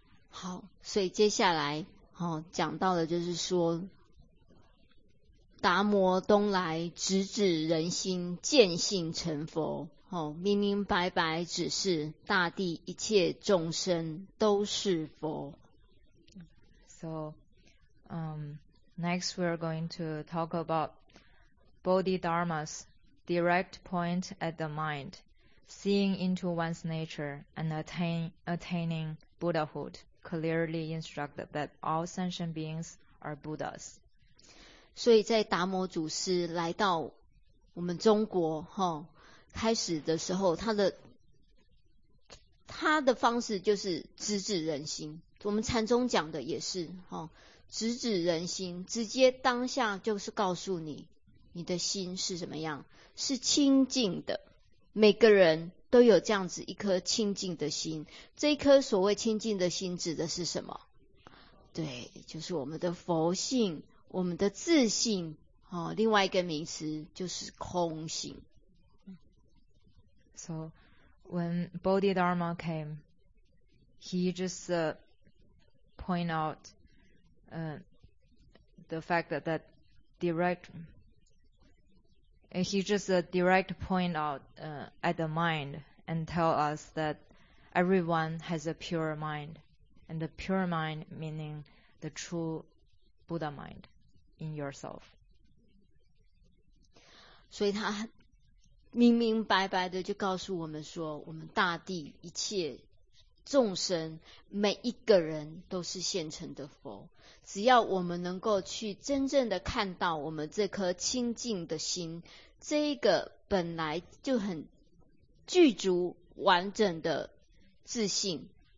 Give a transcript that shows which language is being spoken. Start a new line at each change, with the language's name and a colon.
Chinese: 好，所以接下来讲到的就是说，达摩东来直指人心，见性成佛。明明白白指示大地一切众生都是佛。
English: So, next we are going to talk about Bodhidharma's direct point at the mind, seeing into one's nature and attaining Buddhahood, clearly instructed that all sentient beings are Buddhas.
Chinese: 所以在达摩祖师来到我们中国，开始的时候他的方式就是直指人心，我们禅宗讲的也是直指人心，直接当下就是告诉你你的心是什么样，是清净的。每个人都有这样子一颗清净的心，这一颗所谓清净的心指的是什么？对，就是我们的佛性，我们的自性，哦，另外一个名词就是空性。
English: So when Bodhidharma came, he just point out the fact that direct, he just direct point out at the mind and tell us that everyone has a pure mind, and the pure mind meaning the true Buddha mind in yourself.
Chinese: 所以他明明白白的就告诉我们说，我们大地一切众生每一个人都是现成的佛，只要我们能够去真正的看到我们这颗清净的心，这一个本来就很具足完整的自信，